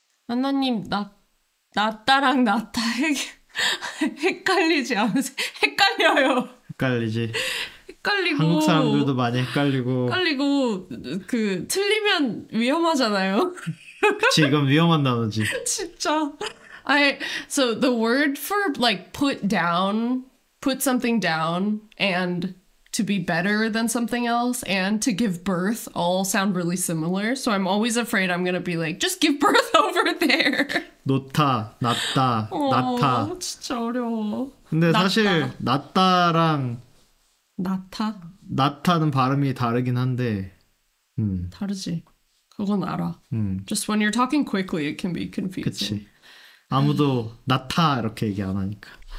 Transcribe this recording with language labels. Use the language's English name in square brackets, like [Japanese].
[Korean] 안나님, 나따랑 나따 헷갈리지 않으세요? 헷갈려요. 헷갈리지. 헷갈리고 한국 사람들도 많이 헷갈리고 헷갈리고 그 틀리면 위험하잖아요. 그치, 이건 위험한 단어지. 진짜. [English] So the word for like put down, put something down, and to be better than something else, and to give birth all sound really similar. So I'm always afraid I'm gonna be like, just give birth over there. [Korean] 놓다, 놨다, 놨다. 진짜 어려워. 근데 낫다. 사실 놨다랑 나타? 나타는 발음이 다르긴 한데 다르지. 그건 알아. [English] Just when you're talking quickly, it can be confusing. [Korean] 그치. 아무도 나타 이렇게 얘기 안 하니까.